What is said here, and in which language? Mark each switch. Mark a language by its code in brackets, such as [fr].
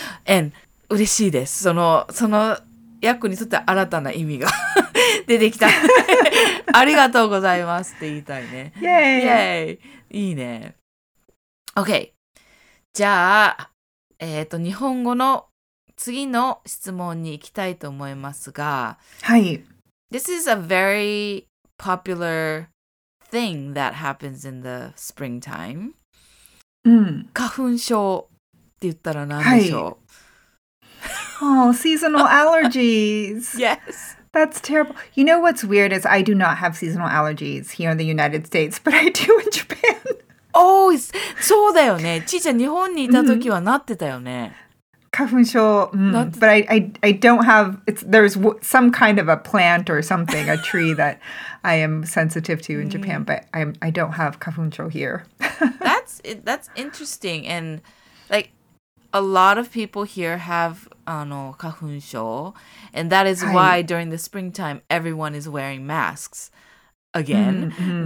[ja] And 嬉しいです。その、ヤックにとって新たな意味が出てきた。ありがとうございますって言いたいね。 [en] Yay! Yay! [ja] いいね。 [en] OK! [ja] じゃあ、日本語の次の質問に行きたいと思いますが、はい。 [en] This is a very popular thing that happens in the springtime. [ja] うん。花粉症って言ったら何でしょう、はい。 [en] Oh, seasonal allergies. Yes. That's terrible. You know what's weird is I do not have seasonal allergies here in the United States, but I do in Japan. [ja] Oh, そうだよね。ちーちゃん、日本にいた時はなってたよね。花粉症。 [en] But I don't have, there's some kind of a plant or something, a tree that I am sensitive to in Japan, but I don't have 花粉症 here. That's interesting. And like, a lot of people here have 花粉症, and that is why during the springtime everyone is wearing masks again.